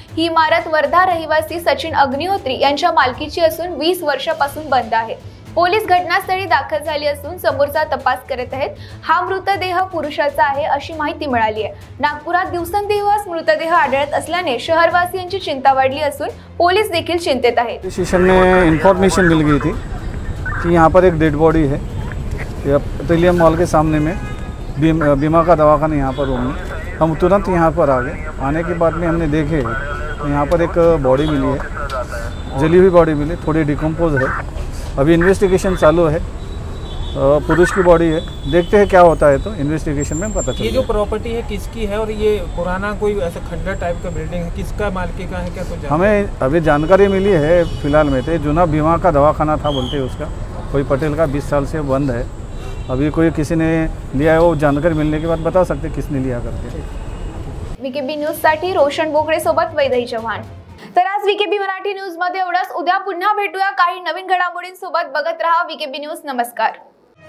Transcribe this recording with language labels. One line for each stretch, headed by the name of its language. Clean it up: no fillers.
Marathi: ही इमारत वर्धा रहिवासी सचिन अग्निहोत्री यांच्या मालकीची असून 20 वर्षापासून बंद आहे. पोलीस घटनास्थळी दाखल झाली असून समोरचा तपास करत आहेत. हा मृतदेह पुरुषाचा आहे अशी माहिती मिळाली आहे. नागपुरात दिवसेंदिवस मृतदेह आढळत असल्याने शहरवासियांची चिंता वाढली असून पोलीस देखील चिंतेत आहेत.
Hindi: पोलीस स्टेशनने इन्फॉर्मेशन मिल गई थी की यहाँ पर एक डेड बॉडी है, पेट्रोलियम मॉल के सामने में बीमा का दवाखाना यहाँ पर होगी. हम तुरंत यहाँ पर आ गए. आने के बाद में हमने देखे यहाँ पर एक बॉडी मिली है, जली हुई बॉडी मिली, थोड़ी डिकम्पोज है. अभी इन्वेस्टिगेशन चालू है, पुरुष की बॉडी है, देखते हैं क्या होता है तो इन्वेस्टिगेशन में पता चले. ये जो प्रॉपर्टी है किसकी है और ये पुराना कोई ऐसा खंडर टाइप का बिल्डिंग है, किसका मालिक का है, क्या कुछ हमें अभी जानकारी मिली है फिलहाल में. तो जूना बीमा का दवाखाना था बोलते हैं उसका, कोई पटेल का 20 साल से बंद है. अभी कोई किसी ने लिया है वो जानकारी मिलने के बाद बता सकते किसने लिया करके.
Marathi: VKB न्यूज साठी रोशन बोकडे सोबत वैदेही चव्हाण. तर आज VKB मराठी न्यूज मध्ये एवढंच. उद्या पुन्हा भेटूया काही नवीन घडामोडींसोबत. बघत रहा VKB न्यूज. नमस्कार.